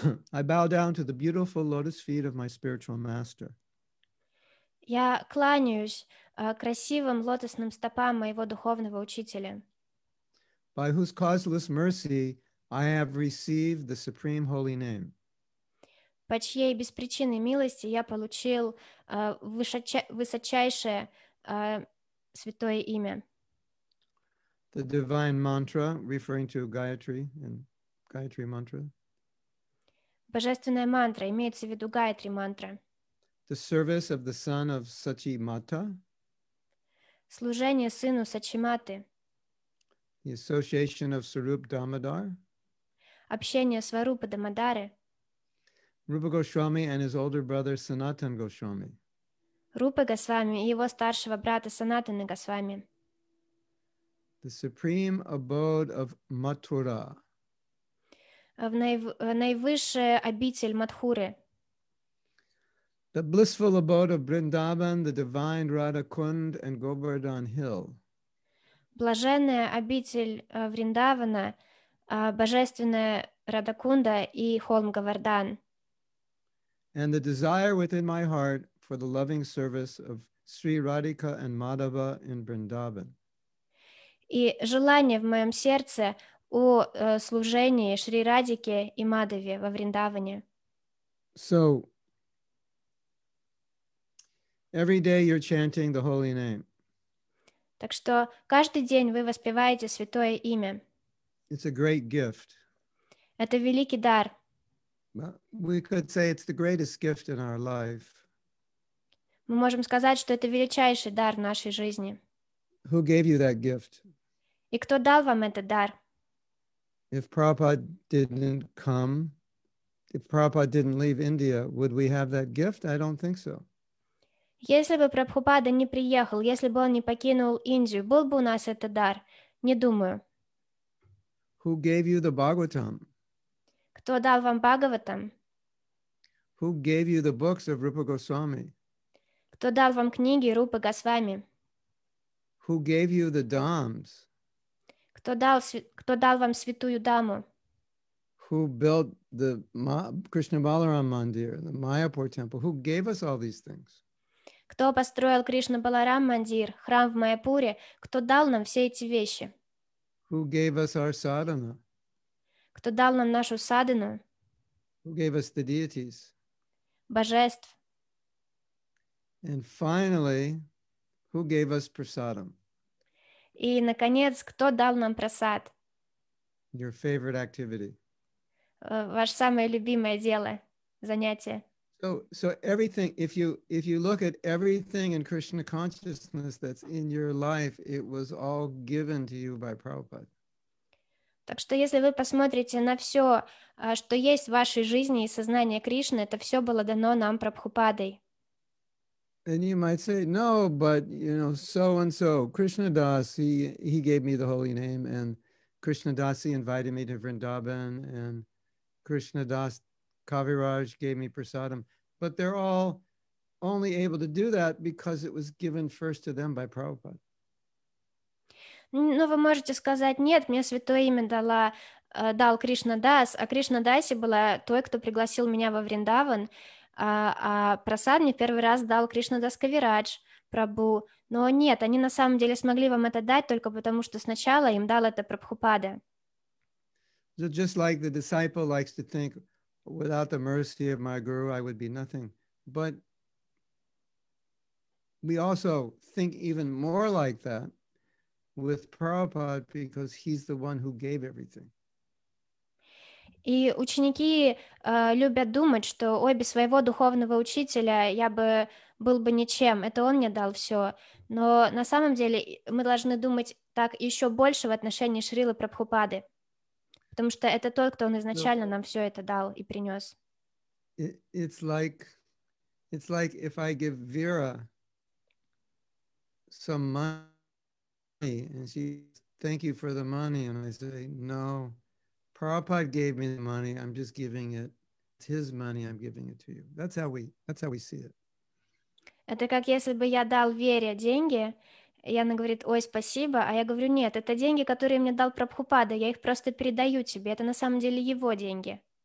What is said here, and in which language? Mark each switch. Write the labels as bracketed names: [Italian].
[English] I bow down to the beautiful lotus feet of my spiritual master. [Russian] Я кланяюсь красивым лотосным стопам моего духовного учителя. [English] By whose causeless mercy I have received the supreme holy name. [Russian] По чьей беспричинной милости я получил высочайшее святое имя. [English] The divine mantra, referring to Gayatri and Gayatri mantra. [Russian] Божественная мантра, имеется в виду Гаятри мантра. [English] The service of the son of Сачи Мата. [Russian] Служение сыну Сачи Маты. [English] The association of Сваруп Дамодар. [Russian] Общение Сварупа Дамодары. [English] Рупа Госвами and his older brother Санатан Госвами. [Russian] Рупа Госвами и его старшего брата Санатана Госвами. [English] The supreme abode of Mathura. [Russian] Наивысшая обитель Матхуры. [English] The blissful abode of Vrindavan, the divine Radha Kund and Govardhan Hill. [Russian] Блаженная обитель Вриндавана, божественная Радха Кунда и холм Говардан. [English] And the desire within my heart for the loving service of Sri Radhika and Madhava in Vrindavan. [Russian] И желание в моем сердце о служении Шри Радике и Мадаве во Вриндаване. [English] So, every day you're chanting the holy name. [Russian] Так что каждый день вы воспеваете святое имя. [English] It's a great gift. [Russian] Это великий дар. [English] We could say it's the greatest gift in our life. [Russian] Мы можем сказать, что это величайший дар в нашей жизни. [English] Who gave you that gift? [Russian] И кто дал вам этот дар? [English] If Prabhupada didn't come, if Prabhupada didn't leave India, would we have that gift? I don't think so. [Russian] Если бы Прабхупада не приехал, если бы он не покинул Индию, был бы у нас этот дар? Не думаю. [English] Who gave you the Bhagavatam? [Russian] Кто дал вам Бхагаватам? [English] Who gave you the books of Rupa Goswami? [Russian] Кто дал вам книги Рупы Госвами? [English] Who gave you the Dhams? [Russian] Кто дал вам святую даму? [English] Who built the Krishna Balaram Mandir, the Mayapur temple? Who gave us all these things? [Russian] Кто построил Кришна Баларам Мандир, храм в Майяпуре? Кто дал нам все эти вещи? [English] Who gave us our sadhana? [Russian] Кто дал нам нашу садхану? [English] Who gave us the deities? [Russian] Божеств. [English] And finally, who gave us prasadam? [Russian] И, наконец, кто дал нам прасад? [English] Your favorite activity. [Russian] Ваше самое любимое дело, занятие. [English] So everything, if you look at everything in Krishna consciousness that's in your life, it was all given to you by Prabhupada. [Russian] Так что если вы посмотрите на все, что есть в вашей жизни и сознание Кришны, это все было дано нам Прабхупадой. [English] And you might say, no, but you know, so and so, Krishna Das, he gave me the holy name, and Krishna Das invited me to Vrindavan, and Krishna Das Kaviraj gave me prasadam. But they're all only able to do that because it was given first to them by Prabhupada. [Russian] Ну, вы можете сказать, нет, мне святое имя дал Кришна Дас, а Кришна Даси была той, кто пригласил меня во Вриндаван, а прасад мне первый раз дал Кришна Дас Кавирадж, Прабу. Но нет, они на самом деле смогли вам это дать только потому, что сначала им дал это Прабхупада. [English] So just like the disciple likes to think, without the mercy of my guru, I would be nothing. But we also think even more like that with Prabhupada, because he's the one who gave everything. [Russian] И ученики любят думать, что ой, без своего духовного учителя я бы был бы ничем, это он мне дал все. Но на самом деле мы должны думать так еще больше в отношении Шрилы Прабхупады, потому что это тот, кто он изначально нам все это дал и принес. [English] It's like if I give Vera some money and she says, thank you for the money, and I say, no, Prabhupada gave me the money, I'm just giving it, it's his money, I'm giving it to you. That's how we see it. [Russian] Это как если бы я дал Вере деньги, и она говорит, ой, спасибо, а я говорю, нет, это деньги, которые мне дал Прабхупада, я их просто передаю тебе, это на самом деле его деньги.